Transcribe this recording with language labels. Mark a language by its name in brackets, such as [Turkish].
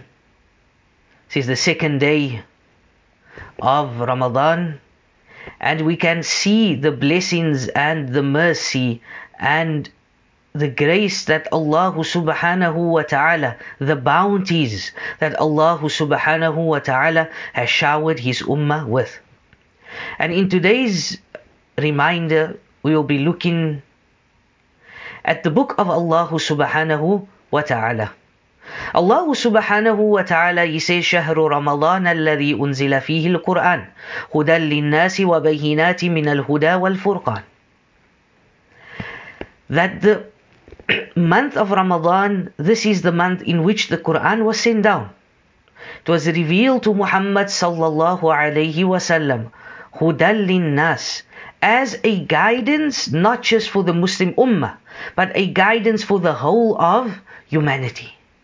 [English] This is the second day of Ramadan, and we can see the blessings and the mercy and the grace that Allah subhanahu wa ta'ala, the bounties that Allah subhanahu wa ta'ala has showered his ummah with. And in today's reminder, we will be looking at the book of Allah subhanahu wa ta'ala. Allah subhanahu wa ta'ala, he says, [Arabic] شهر رمضان الذي أنزل فيه القرآن هدى للناس وبينات من الهدى والفرقان. [English] That the month of Ramadan, this is the month in which the Quran was sent down. It was revealed to Muhammad sallallahu alayhi wa sallam, [Arabic] هدى للناس, [English] as a guidance not just for the Muslim ummah, but a guidance for the whole of humanity.